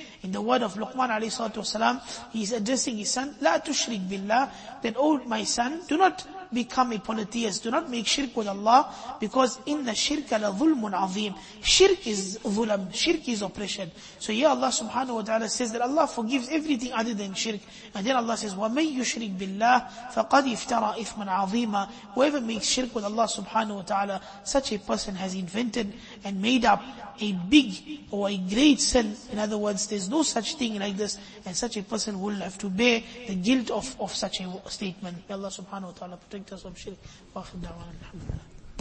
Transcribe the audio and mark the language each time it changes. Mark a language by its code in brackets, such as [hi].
[en] In the word of Luqman alayhi salatu wasalam, he is addressing his son, [ar] لَا تُشْرِكْ بِاللَّهِ. [en] Then, oh my son, do not become a polytheist. Do not make shirk with Allah, because inna shirka la zulmun azim. Shirk is zulam. Shirk is oppression. So here Allah subhanahu wa ta'ala says that Allah forgives everything other than shirk. And then Allah says, [ar] وَمَنْ يُشْرِكْ بِاللَّهِ فَقَدْ يَفْتَرَى إِثْمًا عَظِيمًا. [en] Whoever makes shirk with Allah subhanahu wa ta'ala, such a person has invented and made up a big or a great sin. In other words, there's no such thing like this, and such a person will have to bear the guilt of such a statement. May Allah subhanahu wa ta'ala protect us from shirk. [ar] وَأَخِذْ دَعْوَانَ. [en] Alhamdulillah.